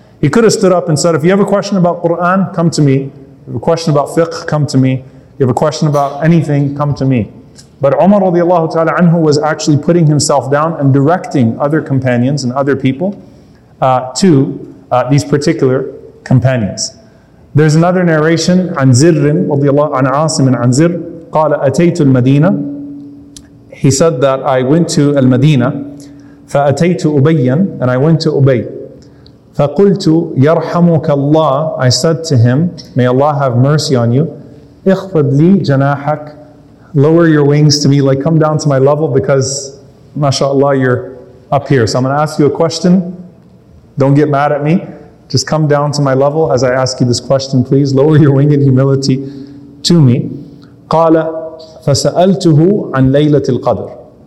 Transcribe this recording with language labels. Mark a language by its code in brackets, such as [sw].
[en] He could have stood up and said, if you have a question about Qur'an, come to me. If you have a question about fiqh, come to me. If you have a question about anything, come to me. But Umar radiallahu ta'ala anhu was actually putting himself down and directing other companions and other people to these particular companions. There's another narration, [ar] عن زر radiallahu عن عاصم عن زر قال أتيت المدينة. [en] He said that I went to Al-Madinah, [ar] فأتيت أبيًا, [en] and I went to Ubayy. [ar] فقلت يرحمك الله, [en] I said to him, may Allah have mercy on you, [ar] اخفض لي جناحك, [en] lower your wings to me, like come down to my level, because mashallah you're up here. So I'm going to ask you a question, don't get mad at me, just come down to my level as I ask you this question, please lower your wing in humility to me. [ar] قال فسألته عن ليلة القدر.